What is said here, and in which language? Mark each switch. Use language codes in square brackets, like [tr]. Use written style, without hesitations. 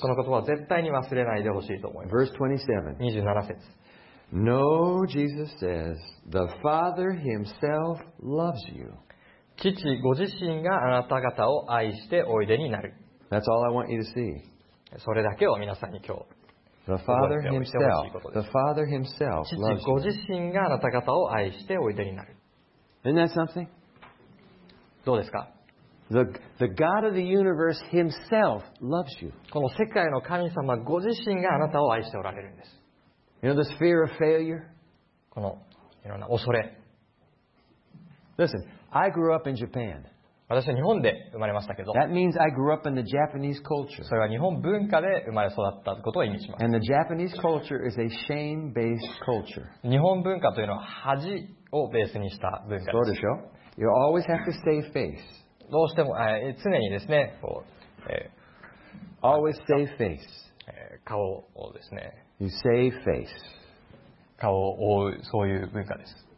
[ja] この言葉は絶対に忘れないでほしいと思います。 [en] Verse 27. [ja] 27節。 [en] No, Jesus says, the Father himself loves you. [ja] 父ご自身があなた方を愛しておいでになる。 [en] That's all I want you to see. [ja] それだけを皆さんに今日、 [en] the Father himself, the Father himself loves you. [ja] 父ご自身があなた方を愛しておいでになる。 [en] Isn't that something? [ja] どうですか? [en] The God of the universe himself loves you. [ja] この世界の神様ご自身があなたを愛しておられるんです。 [en] You know this fear of failure? [ja] このいろんな恐れ。 [en] Listen, I grew up in Japan. [ja] 私は日本で生まれましたけど。 [en] That means I grew up in the Japanese culture. [ja] それは日本文化で生まれ育ったことを意味します。 [en] And the Japanese culture is a shame-based culture. [ja] 日本文化というのは恥をベースにした文化です。そうでしょ? [en] You always have to save face. [ja] どうしても、常にですね、こう、 [en] always save face. [ja] 顔をですね、 [en] you save face. [ja] 顔を覆う、そういう文化です。